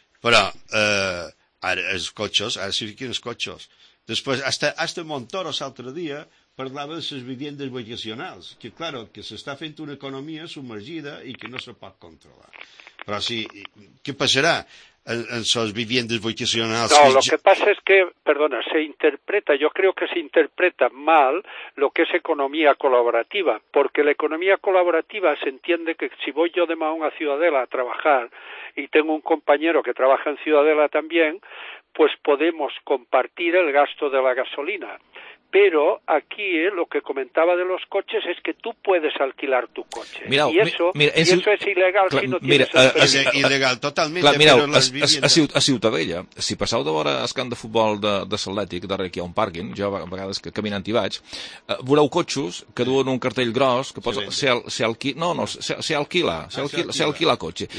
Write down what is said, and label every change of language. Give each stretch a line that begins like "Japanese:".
Catalan: Però ara els cotxes, ara s'hi fiquen els cotxes. Després, hasta Montoro l'altre dia parlava de les viviendes vacacionals, que, claro, que s'està fent una economia submergida i que no se pot controlar. Però, sí, què passarà en les viviendes vacacionals?
Spanish: No, lo que pasa es que, perdona, se interpreta, yo creo que se interpreta mal lo que es economía colaborativa, porque la economía colaborativa se entiende que si voy yo de Mahón a Ciudadela a trabajar y tengo un compañero que trabaja en Ciudadela también, pues podemos compartir el gasto de la gasolina. Pero aquí lo que comentaba de los coches es que tú puedes alquilar tu coche.
Catalan: Mirau,
Spanish: eso es ilegal,
Catalan: clar,
Spanish: si no tienes... Ilegal totalmente.
Catalan: Clar, mirau, a Ciutadella, si passeu de vora el camp de futbol de l'Atlètic, darrere aquí hi ha un pàrquing, jo a vegades que caminant hi vaig, veureu cotxos que duen un cartell gros que posa
Spanish: se alquila
Catalan: cotxe.